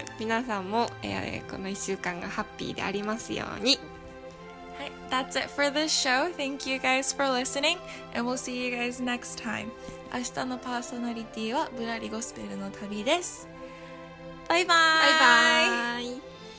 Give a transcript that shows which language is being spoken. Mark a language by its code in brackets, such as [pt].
[ja] 皆さんも、この1週間がハッピーでありますように。はい、 [en] That's it for this show. Thank you guys for listening. And we'll see you guys next time. [ja] 明日のパーソナリティはぶらりゴスペルの旅です。バイバイ。バイバイ。